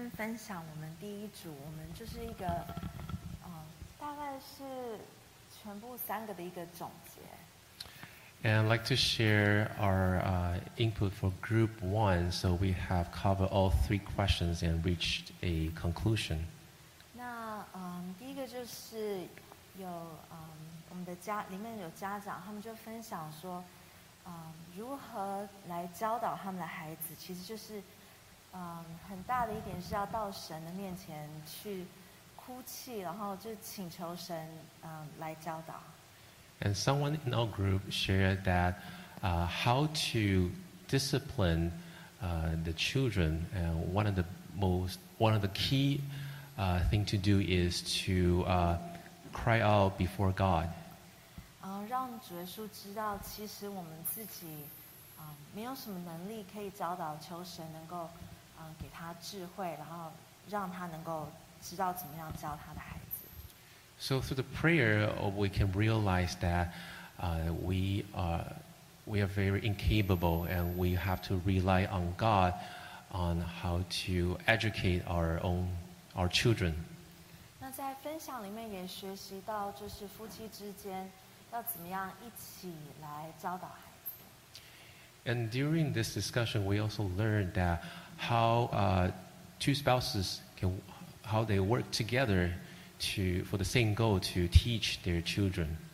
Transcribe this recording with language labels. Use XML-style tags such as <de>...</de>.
<zh>在这边分享我们第一组，我们就是一个 大概是全部三个的一个总结。</zh> <en>And I'd like to share our input for group one, so we have covered all three questions and reached a conclusion.</en> <zh>那, 第一个就是有, 我们的家里面有家长, 他们就分享说, 如何来教导他们的孩子, 其实就是, 很大的一点是要到神的面前去哭泣, 然后就请求神, 来教导。</zh> <en>And someone in our group shared that how to discipline the children. And one of the key thing to do is to cry out before God.</en> <zh>让主耶稣知道，其实我们自己 没有什么能力可以教导，求神能够 给他智慧，然后让他能够知道怎么样教他的孩子。</zh> <en>So through the prayer, we can realize that we are very incapable, and we have to rely on God on how to educate our children.</en> <zh>那在分享里面也学习到，就是夫妻之间要怎么样一起来教导孩子。</zh> <en>And during this discussion, we also learned that how two spouses can work together. For the same goal to teach their children.</en>